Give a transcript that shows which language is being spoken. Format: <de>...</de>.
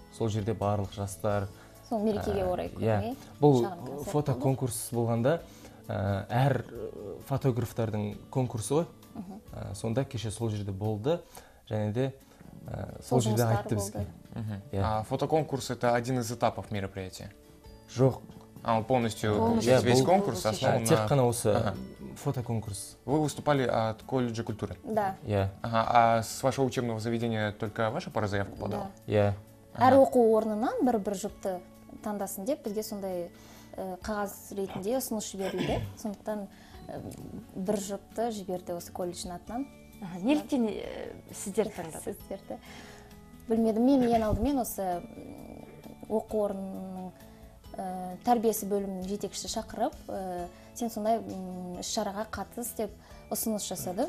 <kk>Сол жерде барлық жастар. Сол мерекеге орай көрме. Бұл фото конкурс болғанда, әр фотографтардың конкурсы ғой. Сонда кеше сол жерде болды, және де сол жерде айтты бізге.</kk> <ru>А фото конкурс это один из этапов мероприятия?</ru> <kk>Жоқ.</kk> <ru>Ал полностью весь конкурс основан на...</ru> <kk>Тек қана осы фото конкурс.</kk> <ru>Вы выступали от колледжа культуры? Да. Yeah. Ага, а с вашего учебного заведения только ваша пара заявку подала? Да.</ru> <kk>Әр оқу орнынан бір-бір жұпты таңдасын деп, бізге сондай қағаз ретінде ұсыныс жіберілді. Сондықтан бір жұпты жіберді осы колледждің атынан. Неліктен сіздер таңдады? Сіздерді. Білмедім, мен ең алдымен осы оқу орнының тәрбиесі бөлімінің жетекшісі шақырып, сен сондай іс-шараға қатыс деп ұсыныс жасады.</kk>